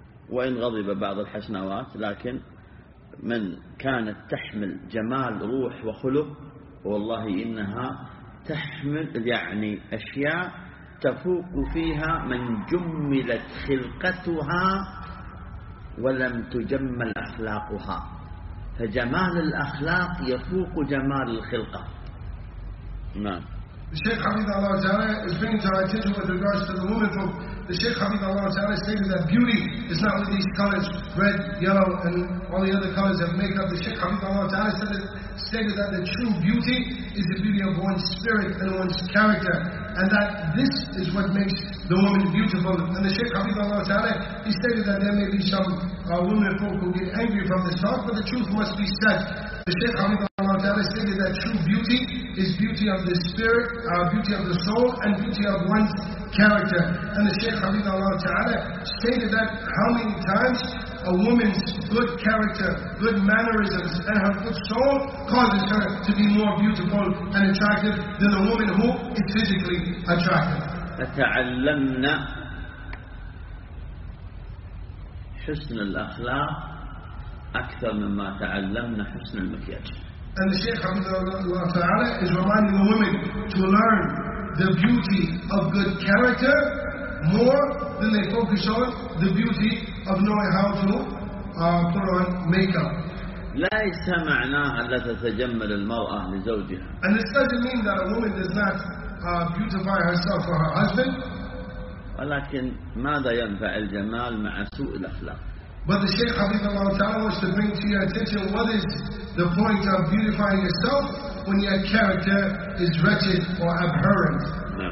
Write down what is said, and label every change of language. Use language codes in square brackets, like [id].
[ar] وإن غضب بعض الحسنوات، لكن من كانت تحمل جمال روح وخلق، والله إنها تحمل يعني أشياء تفوق فيها من جملت خلقتها ولم تجمل أخلاقها. فجمال الأخلاق يفوق جمال الخلقة. [en] The Shaykh Hafiz al-Razali is bringing to our attention with regards to the woman folk. The Shaykh Hafiz al-Razali stated that beauty is not with these colors, red, yellow, and all the other colors that make up. The Shaykh Hafiz al-Razali stated that the true beauty is the beauty of one's spirit and one's character, and that this is what makes the woman beautiful. And the Shaykh Hafiz al-Razali, he stated that there may be some women folk who get angry from this talk, but the truth must be said. The Shaykh Hafiz al-Razali stated that true beauty is beauty of the spirit, beauty of the soul, and beauty of one's character. And the Shaykh Hafiz al-Razali stated that how many times a woman's good character, good mannerisms, and her good soul causes her to be more beautiful and attractive than a woman who is physically attractive. [ar] فتعلمنا حسن الأخلاق أكثر مما تعلمنا حسن المكياج. [en] And the Shaykh Hafizahullah Ta'ala is reminding the women to learn the beauty of good character more than they focus on the beauty of knowing how to put on makeup. [ar] ليس معناها لا تتجمل المرأة لزوجها. [en] And this doesn't mean that a woman does not beautify herself for her husband. [ar] ولكن ماذا ينفع الجمال مع سوء الأخلاق؟ [en] But the Shaykh Hafizahullah Ta'ala wants to bring to your attention what is the point of beautifying yourself when your character is wretched or abhorrent.